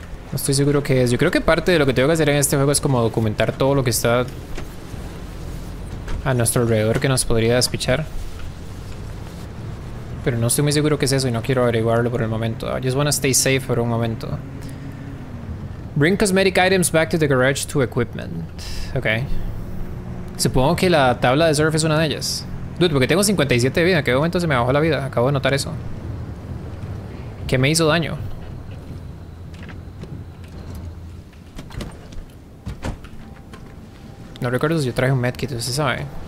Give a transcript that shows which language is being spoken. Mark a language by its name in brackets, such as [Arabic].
[Spanish] No estoy seguro qué es. Yo creo que parte de lo que tengo que hacer en este juego es como documentar todo lo que está a nuestro alrededor que nos podría despichar. Pero no estoy muy seguro qué es eso y no quiero averiguarlo por el momento. [English] I just want to stay safe [Spanish] por un momento. [English] Bring cosmetic items back to the garage to equipment. Ok. [Spanish] Supongo que la tabla de surf es una de ellas. Dude, porque tengo 57 de vida. ¿En qué momento se me bajó la vida? Acabo de notar eso. ¿Qué me hizo daño? No recuerdo si yo traje un medkit, usted sabe.